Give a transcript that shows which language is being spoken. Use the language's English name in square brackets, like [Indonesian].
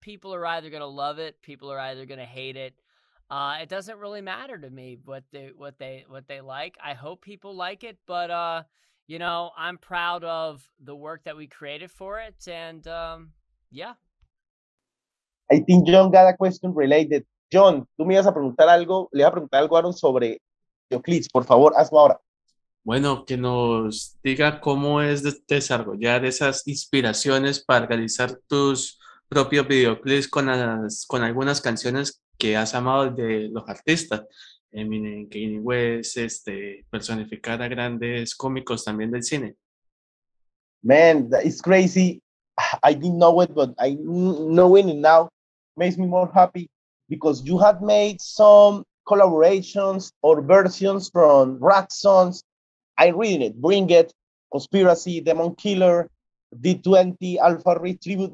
[English] People are either going to love it. People are either going to hate it. It doesn't really matter to me what they like. I hope people like it, but I'm proud of the work that we created for it, and yeah. I think John got a question related. [Spanish] John, tú me ibas a preguntar algo, le iba a preguntar algo a Aaron sobre videoclips, por favor, hazlo ahora. Bueno, que nos diga cómo es desarrollar esas inspiraciones para realizar tus propios videoclips con algunas canciones que has amado de los artistas, Eminem, Kanye West, personificar a grandes cómicos también del cine. [English] Man, it's crazy. I didn't know it, but I knowing it now makes me more happy because you had made some collaborations or versions from rap songs. I read it, Bring It, Conspiracy, Demon Killer, D20, Alpha Retribute.